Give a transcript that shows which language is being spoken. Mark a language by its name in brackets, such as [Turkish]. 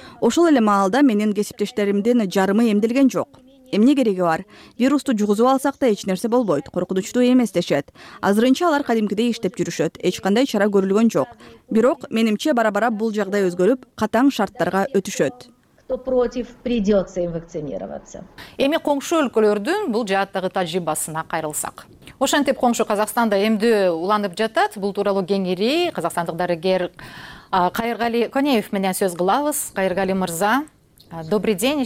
[Kyrgyz] Ошол эле маалда менин кесиптештеримдин жарымы эмделген жок. Эмне кереги бар? Вирусту жугузуп алсак да эч нерсе болбойт, коркунучтуу эмес дешет. Азырынча алар кадимкидей иштеп жүрүшөт, эч кандай чара көрүлгөн жок. Бирок, менимче бара-бара бул жагдай өзгөрүп, катаң шарттарга өтүшөт. [Russian] Кто против, придётся им вакцинироваться. [Kyrgyz] Эми коңшу өлкөлөрдүн бул жааттагы тажрыйбасына кайрылсак. Ошентип коңшу Казакстанда эмдөө уланып жатат. Бул тууралуу кеңири казакстандык дарыгер Кайыргали Конеев менен сөз кылабыз. Кайыргали мырза, [Russian] добрый день.